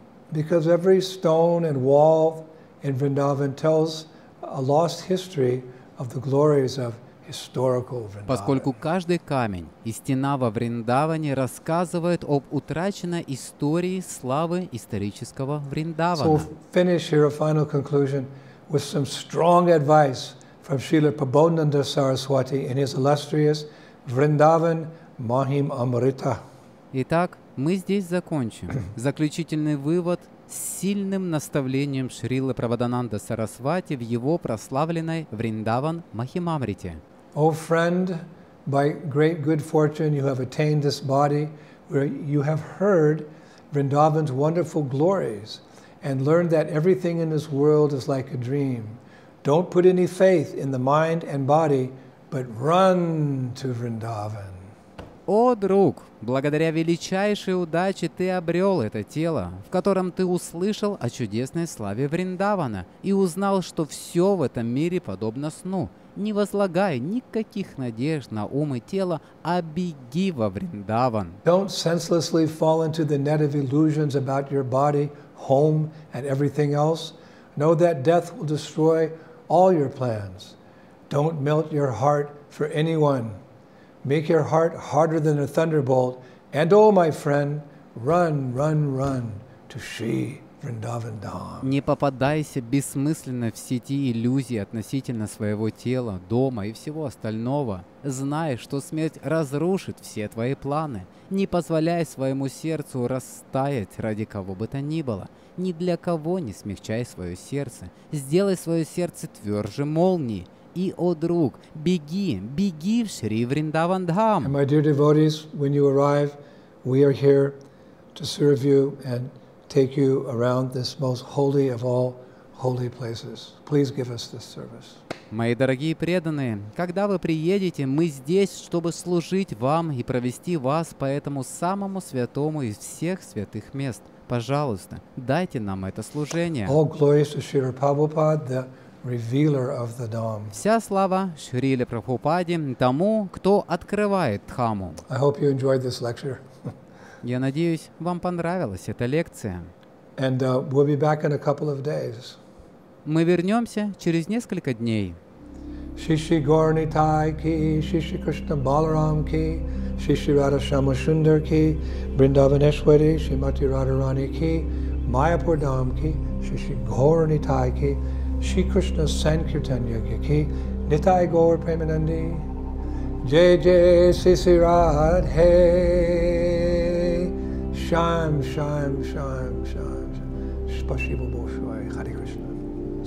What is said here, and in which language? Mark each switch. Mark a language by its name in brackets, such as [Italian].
[English] Because every stone and wall in Vrindavan tells a lost history of the glories of historical Vrindavan. [Russian] Поскольку каждый камень и стена во Вриндаване рассказывает об утраченной истории славы исторического Вриндавана. [English] So we'll finish here a final conclusion with some strong advice from Srila Prabodhananda Saraswati in his illustrious Vrindavan Mahim Amrita. [Russian] Итак, мы здесь закончим. Заключительный вывод с сильным наставлением Шрилы Прабхадананда Сарасвати в его прославленной Вриндаван Махимамрите. [English] О, friend, by great good fortune you have attained this body where you have heard Vrindavan's wonderful glories and learned that everything in this world is like a dream. Don't put any faith in the mind and body, but run to Vrindavan. [Russian] О, друг, благодаря величайшей удаче ты обрел это тело, в котором ты услышал о чудесной славе Вриндавана и узнал, что все в этом мире подобно сну. Не возлагай никаких надежд на ум и тело, а беги во Вриндаван. [English] Don't senselessly fall into the net of illusions about your body, home, and everything else. Know that death will destroy all your plans. Don't melt your heart for anyone. Make your heart harder than a thunderbolt, and oh, my friend, run, run, run to Sri Vrindavan Dham. [Russian] Не попадайся бессмысленно в сети иллюзий относительно своего тела, дома и всего остального. Знай, что смерть разрушит все твои планы. Не позволяй своему сердцу растаять ради кого бы то ни было. Ни для кого не смягчай свое сердце. Сделай свое сердце тверже молнии. И, о друг, беги, беги в Шри Вриндаван Дхам. [English] And my dear devotees, when you arrive, we are here to serve you and take you around this most holy of all holy places. Please give us this service. [Russian] Мои дорогие преданные, когда вы приедете, мы здесь, чтобы служить вам и провести вас по этому самому святому из всех святых мест. Пожалуйста, дайте нам это служение. [English] All glories to Srila Prabhupada, the revealer of the Dhamma. [Russian] Вся слава Шриле Прабхупаде, тому, кто открывает Дхамму. [English] I hope you enjoyed this lecture. [Russian] Я надеюсь, вам понравилась эта лекция. [English] And we'll be back in a couple of days. [Russian] Мы вернемся через несколько дней. Шиши Горни Тайки, Шиши Кришна Баларамки, Шиши Рада Шама Шундарки, Бриндаванешвари, Шимати Рада Раники, Майяпур Дамки, Шиши Горни Тайки, Шри Кришна Санкиртаньяки, Нитай Гор Преминанди, Джей Джей Сиси Радхе, Шам Шам Шам Шам Шам, Спасибо Большое, Хари Кришна.